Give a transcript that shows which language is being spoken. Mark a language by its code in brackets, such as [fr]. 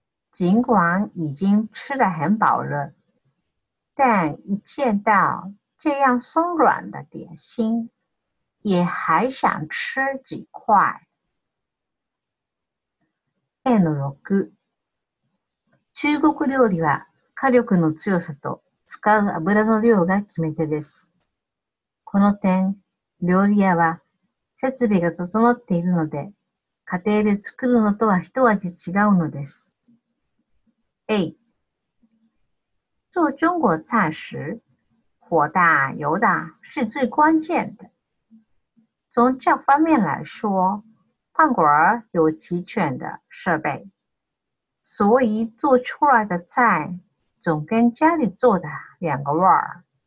[zh] 尽管已经吃得很饱了，但一见到这样松软的点心，也还想吃几块。 N6。 [ja] 中国料理は火力の強さと使う油の量が決め手です。この点、料理屋は設備が整っているので、家庭で作るのとは一味違うのです。 A. [zh] 做中国菜时，火大油大是最关键的。从这方面来说，饭馆有齐全的设备，所以做出来的菜总跟家里做的两个味儿。